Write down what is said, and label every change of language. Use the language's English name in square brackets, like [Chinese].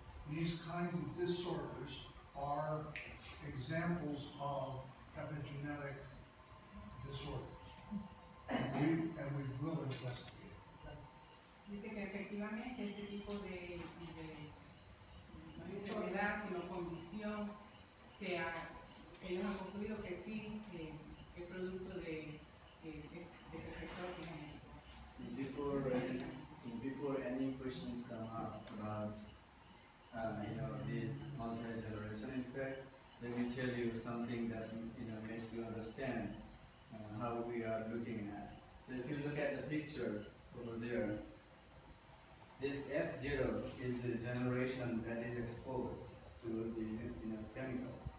[English] These kinds of disorders are examples of epigenetic disorders. And we will investigate. [Spanish] Dice que efectivamente este tipo de no es enfermedad, sino condición, ellos han concluido que sí, que es producto de defecto genético. [English] Before any questions come up about these effect, let me tell you something that, you know, makes you understand how we are looking at. So if you look at the picture over there, this F0 is the generation that is exposed to the, you know, chemical.